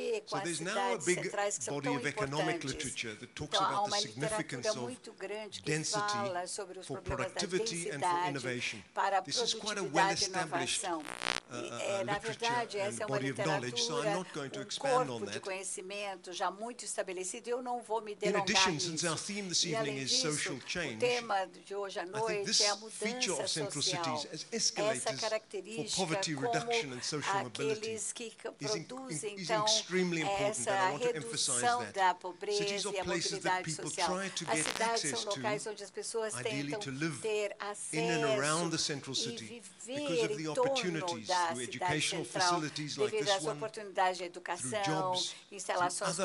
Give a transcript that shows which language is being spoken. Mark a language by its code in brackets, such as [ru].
[en] So there's now a big body of economic literature that talks about the significance of density for productivity and for innovation. This is quite a well-established literature and body of knowledge, so I'm not going to expand on that. [pt] Conhecimento já muito estabelecido, eu não vou me delongar. [en] In addition, since our theme this evening is social change, [pt] o tema de hoje à noite [en] I think this feature of central cities as escalators for poverty reduction and social mobility is extremely important, and I want to emphasize that. Cities are places that people try to get access to, ideally to live in and around the central city, because of the opportunities through educational facilities like this one, through jobs, through